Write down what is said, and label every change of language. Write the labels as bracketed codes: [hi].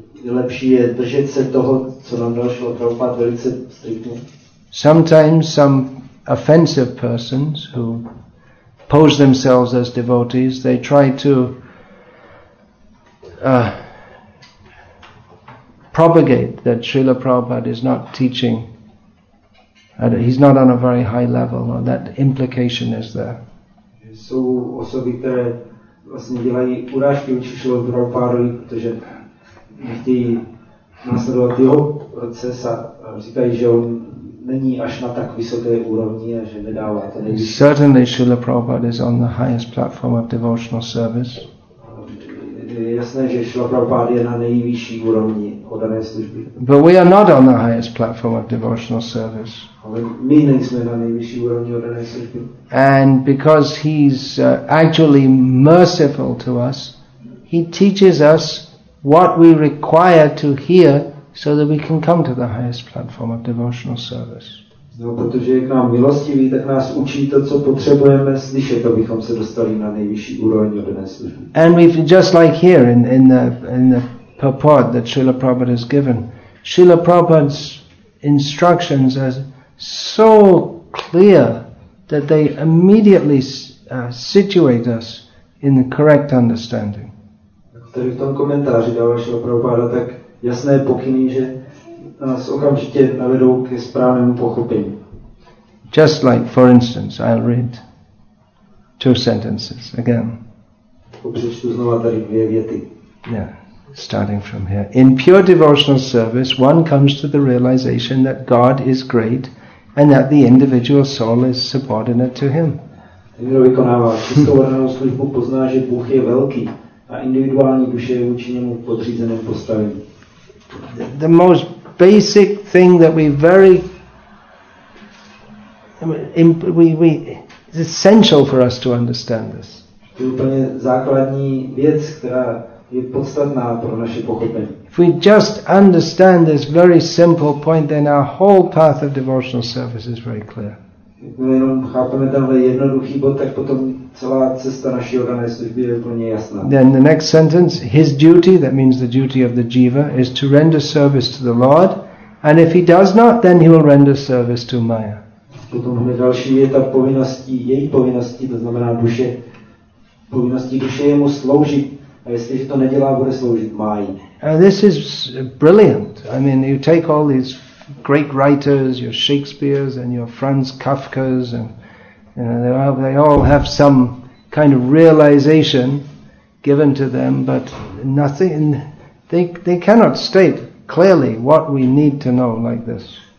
[cs] lepší je držet se toho, co nám dal Srila Prabhupada, velice striktně. [en] Sometimes some offensive persons who pose themselves as devotees, they try to propagate that Srila Prabhupada is not teaching, he's not on a very high level, or that implication is there. [cs] Jsou osoby, které vlastně dělají urážky učí Srila Prabhupada, protože nechtějí následovat jeho proces a říkají, že on není až na tak vysoké úrovni a že nedává to nejvíc. [en] Certainly Srila Prabhupada is on the highest platform of devotional service. [cs] Je jasné, že Šrila Prabhupáda je na nejvyšší úrovni oddané služby. [en] But we are not on the highest platform of devotional service. [cs] Ale my nejsme na nejvyšší úrovni oddané služby. [en] And because he's actually merciful to us, he teaches us what we require to hear so that we can come to the highest platform of devotional service. [cs] No, protože je k nám milostivý, tak nás učí to, co potřebujeme slyšet, abychom se dostali na nejvyšší úroveň oddané služby. [en] And we just like here in the purport that Srila Prabhupada has given, Srila Prabhupada's instructions are so clear that they immediately situate us in the correct understanding. [cs] Tady v tom komentáři dává Srila Prabhupada tak jasné pokyny, že nás okamžitě navedou ke správnému pochopení. [en] Just like, for instance, I'll read two sentences again. [cs] Přečtu znova tady dvě věty. [en] Yeah, starting from here. In pure devotional service, one comes to the realization that God is great and that the individual soul is subordinate to him. [cs] Ten, kdo vykonává čistou oddanou službu, pozná, že Bůh je velký a individuální duše je vůči němu v podřízeném postavení. [en] The most basic thing that we very we it's essential for us to understand this. [cs] To je úplně základní věc, která je podstatná pro naše pochopení. [en] If we just understand this very simple point, then our whole path of devotional service is very clear. [cs] Když jenom chápeme tenhle jednoduchý bod, tak potom celá cesta naší oddané služby je úplně jasná. [en] Then the next sentence, his duty, that means the duty of the jiva, is to render service to the Lord, and if he does not, then he will render service to Maya. [cs] Potom hned další věta, povinností, její povinností, to znamená duše, povinností duše je mu sloužit, a jestliže to nedělá, bude sloužit Maji. [en] This is brilliant. I mean, you take all these great writers, your Shakespeare's and your Franz Kafka's, and you know, they all have some kind of realization given to them, but nothing, they cannot state clearly what we need to know like this.